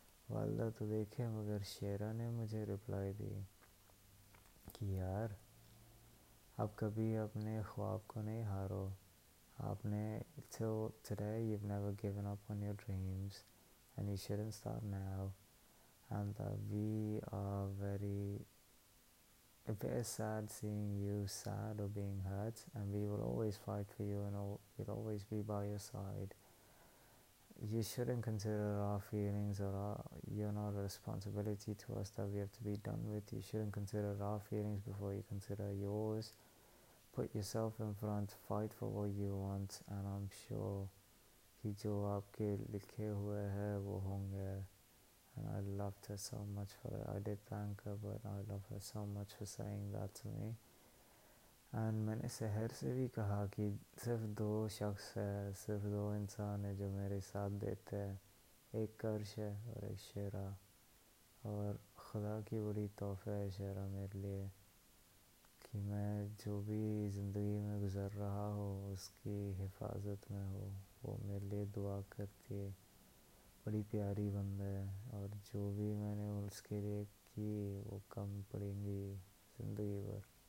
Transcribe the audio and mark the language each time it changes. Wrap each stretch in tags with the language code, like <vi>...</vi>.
<hi>वालदा तो देखे, मगर शेरा ने मुझे रिप्लाई दी कि यार आप कभी अपने ख्वाब को नहीं हारो, आपने</hi> <en>So today you have never given up on your dreams and you shouldn't start now and we are very very sad seeing you sad और being hurt and we will always fight for you and will always be by your side. You shouldn't consider our feelings or you're not a responsibility to us that we have to be done with. You shouldn't consider our feelings before you consider yours. Put yourself in front, fight for what you want, and I'm sure</en> <hi>कि जो आपके लिखे हुए हैं वो होंगे।</hi> <en>And I loved her so much for it. I did thank her, but I love her so much for saying that to me.</en> <hi>And मैंने शहर से भी कहा कि सिर्फ दो शख्स है, सिर्फ दो इंसान है जो मेरे साथ देते हैं, एक करश है और एक शेरा, और खुदा की बड़ी तोहफ़ा है शेरा मेरे लिए कि मैं जो भी ज़िंदगी में गुजर रहा हो उसकी हिफाजत में हो, वो मेरे लिए दुआ करती है, बड़ी प्यारी बंदा है, और जो भी मैंने उसके लिए की वो कम पड़ेंगी ज़िंदगी भर।</hi>